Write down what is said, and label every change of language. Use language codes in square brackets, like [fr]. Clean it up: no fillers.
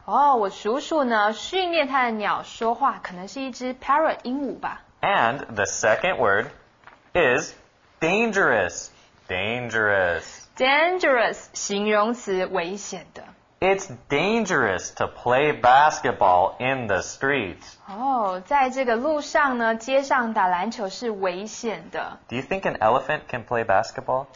[zh] 我叔叔呢训练他的鸟说话，可能是一只 parrot 鹦鹉吧。 [en] And the second word is dangerous. Dangerous. [zh] Dangerous, 形容词危险的。 [en] It's dangerous to play basketball in the streets. [zh] 在这个路上呢，街上打篮球是危险的。 [en] Do you think an elephant can play basketball?